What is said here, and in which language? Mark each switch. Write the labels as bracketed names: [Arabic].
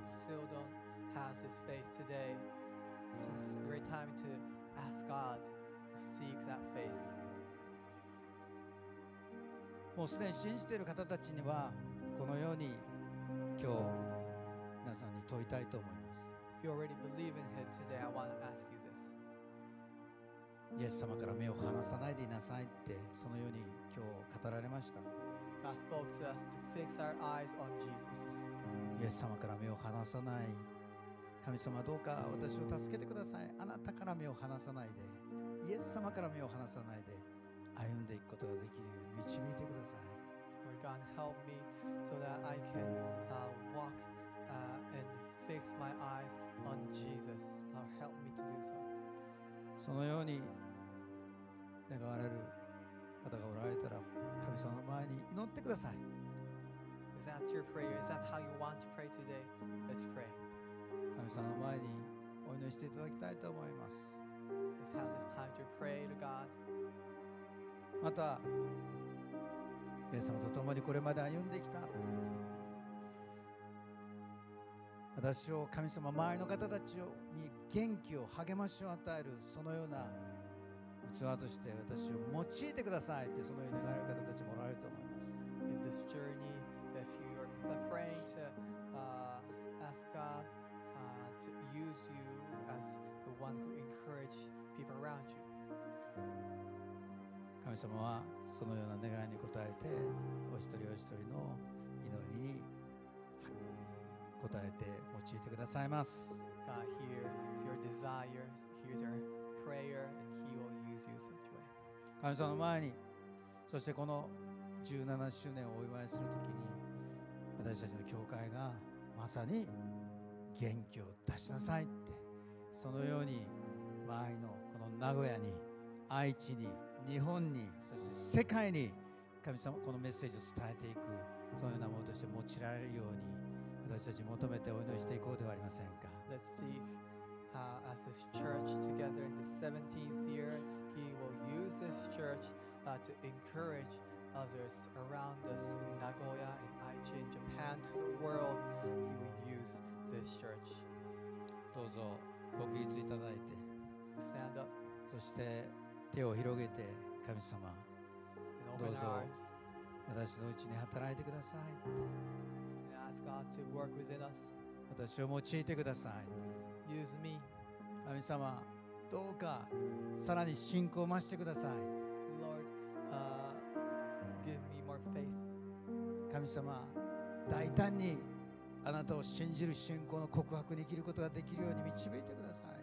[English] Still don't have this faith today. This is a great time to ask God, seek that faith. [Japanese] もうすでに信じている方たちにはこのように今日皆さんに問いたいと思います。 [English] If you already believe in him today, I want to ask you this. [Japanese] イエス様から目を離さないでいなさいってそのように今日語られました。 [English] God spoke to us to fix our eyes on Jesus. [Japanese] イエス様から目を離さない、神様どうか私を助けてください、あなたから目を離さないで、イエス様から目を離さないで歩んでいくことができるように導いてください。 [English] Lord God, help me so that I can walk and fix my eyes on Jesus. Lord, help me to do so. [Japanese] そのように願われる方がおられたら神様の前に祈ってください。 [English] Is that your prayer? Is that how you want to pray today? Let's pray. [Japanese] 神様の前にお祈りしていただきたいと思います。 [English] Now it's time to pray to God. [Japanese] また、イエス様と共にこれまで歩んできた私を、神様、周りの方たちに元気を励ましを与えるそのような器として私を用いてくださいってそのように願える方たちもおられると思います。 [English] In this journey, if you are praying to ask God to use you as the one who encourages people around you. [Japanese] 神様はそのような願いに応えてお一人お一人の祈りに応えて用いてくださいます。 [English] God, here is your desire, here's your prayer, and he will use you such way. [Japanese] 神様の前に、そしてこの17周年をお祝いするときに私たちの教会がまさに元気を出しなさいって、そのように周りのこの名古屋に、愛知に、日本に、そして世界に神様このメッセージを伝えていく、そのようなものとして用いられるように私たち求めてお祈りしていこうではありませんか。 [English] Let's see as this church together in the 17th year, he will use this church to encourage others around us in Nagoya, in Aichi, in Japan, to the world. He will use this church. [Japanese] どうぞご起立いただいて、 [English] Stand up. [Japanese] そして手を広げて、神様、どうぞ私のうちに働いてくださいって。 [English] Ask God to work within us. [Japanese] 私を用いてください。 [English] Use me. [Japanese] 神様どうかさらに信仰を増してください。 [English] Lord, give me more faith. [Japanese] 神様、大胆にあなたを信じる信仰の告白に生きることができるように導いてください。